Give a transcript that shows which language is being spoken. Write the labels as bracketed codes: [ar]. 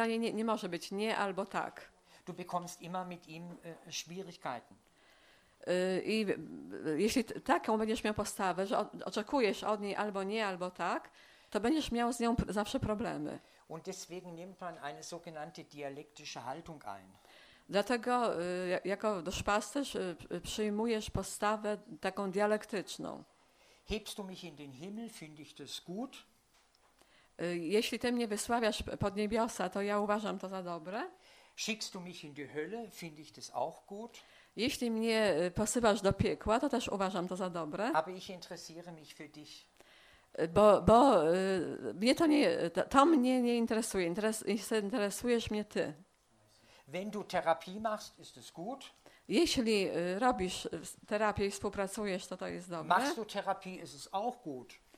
[pl] Dla niej nie może być nie albo tak. [de] Du bekommst immer mit ihm Schwierigkeiten. [pl] I jeśli taką będziesz miał postawę, że oczekujesz od niej albo nie albo tak, to będziesz miał z nią zawsze problemy. [de] Und deswegen nimmt man eine sogenannte dialektische Haltung ein. [pl] Dlatego jako duszpasterz przyjmujesz postawę taką dialektyczną. [de] Hebst du mich in den Himmel, finde ich das gut. [pl] Jeśli ty mnie wysławiasz pod niebiosa, to ja uważam to za dobre. [de] Schickst du mich in die Hölle, finde ich das auch gut. [pl] Jeśli mnie posyłasz do piekła, to też uważam to za dobre. [de] Aber ich interessiere mich für dich. [pl] Bo mnie to nie, to mnie nie interesuje, interesujesz mnie ty. [de] Wenn du Therapie machst, ist es gut. [pl] Jeśli robisz terapię i współpracujesz, to jest dobre. [de] Machst du Therapie, ist es auch gut.